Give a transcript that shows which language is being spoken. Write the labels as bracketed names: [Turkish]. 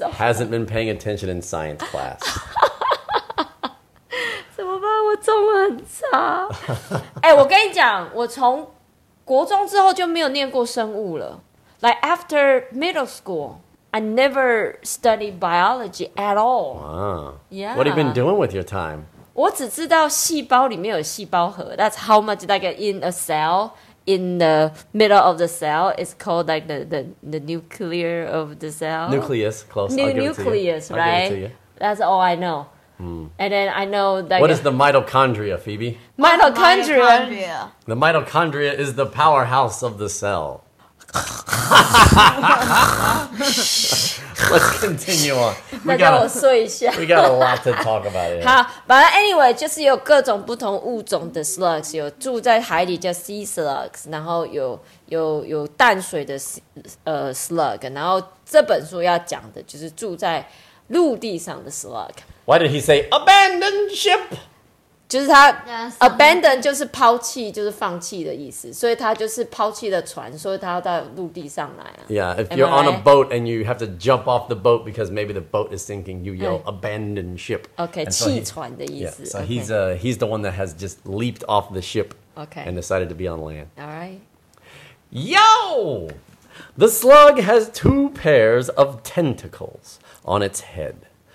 [English] Somebody hasn't been paying attention in science class. [Chinese] 中文很差，哎，我跟你讲，我从国中之后就没有念过生物了。 [English] Like after middle school, I never studied biology at all. Yeah. What have you been doing with your time? [Chinese] 我只知道细胞里面有细胞核。 [English] That's how much like in a cell, in the middle of the cell, it's called like the nuclear of the cell. Nucleus, close. Nucleus, right? That's all I know. And then I know that... What is the mitochondria, Phoebe? Mitochondria. The mitochondria is the powerhouse of the cell. Let's continue on. We got a lot to talk about here. [Chinese] 好，反正 anyway, 就是有各种不同物种的 slugs, 有住在海里叫 sea slugs, 然后有淡水的 slug, 然后这本书要讲的就是住在陆地上的 slug。 [English] Why did he say abandon ship? [Chinese] 就是他 abandon 就是抛弃，就是放弃的意思。所以他就是抛弃了船，所以他要到陆地上来啊。 [English] Yeah, if you're on a boat and you have to jump off the boat because maybe the boat is sinking, you yell abandon ship. [Chinese] Okay, 弃船的意思。 [English] Yeah, so he's the one that has just leaped off the ship and decided to be on land. All right. Yo! The slug has two pairs of tentacles on its head.